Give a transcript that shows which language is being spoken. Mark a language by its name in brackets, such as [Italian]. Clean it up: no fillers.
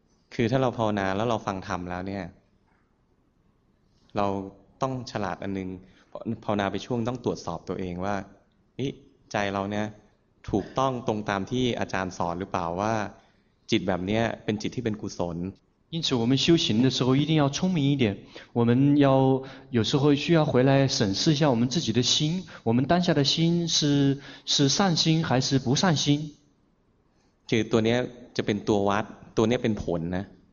[Thai] คือถ้าเราภาวนาแล้วเราฟังธรรมแล้วเนี่ยเราต้องฉลาดอันนึงภาวนาไปช่วงต้องตรวจสอบตัวเองว่าใจเราเนี่ยถูกต้องตรงตามที่อาจารย์สอนหรือเปล่าว่าจิตแบบเนี้ยเป็นจิตที่เป็นกุศล [Chinese] 因此我们修行的时候一定要聪明一点我们要有时候需要回来审视一下我们自己的心我们当下的心是善心还是不善心 [Thai] 这ตัวนี้จะเป็นตัววัดตัวนี้เป็นผลนะ